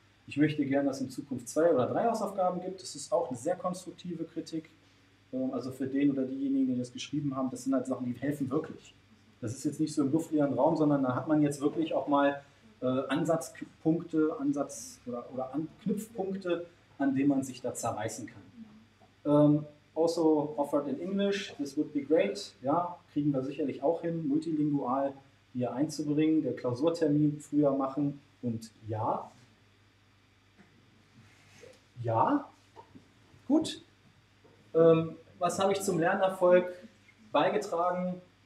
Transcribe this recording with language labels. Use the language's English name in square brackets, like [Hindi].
[German] Ich möchte gerne, dass es in Zukunft 2 oder 3 Hausaufgaben gibt. Das ist auch eine sehr konstruktive Kritik. Also für den oder diejenigen, die das geschrieben haben, das sind halt Sachen, die helfen wirklich. Das ist jetzt nicht so im luftleeren Raum, sondern da hat man jetzt wirklich auch mal Ansatzpunkte, Ansatz- oder Anknüpfpunkte, an denen man sich da zerreißen kann. [English] Also offered in English, this would be great. [German] Ja, kriegen wir sicherlich auch hin, multilingual hier einzubringen, der Klausurtermin früher machen und ja. Ja, gut. Was habe ich zum Lernerfolg beigetragen?